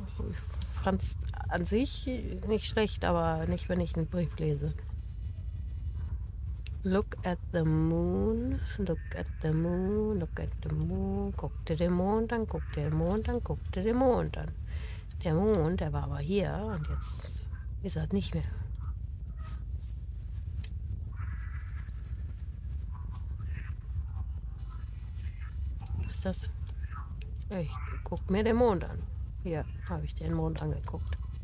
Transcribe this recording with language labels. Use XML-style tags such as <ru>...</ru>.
<de>Ich fand's an sich nicht schlecht, aber nicht, wenn ich einen Brief lese.</de> <en>Look at the moon, look at the moon, look at the moon.</en> <de>Guck dir den Mond an, guck dir den Mond an, guck dir den Mond an. Der Mond, der war aber hier und jetzt ist er nicht mehr. Was ist das? Ich guck mir den Mond an. Hier habe ich den Mond angeguckt.</de>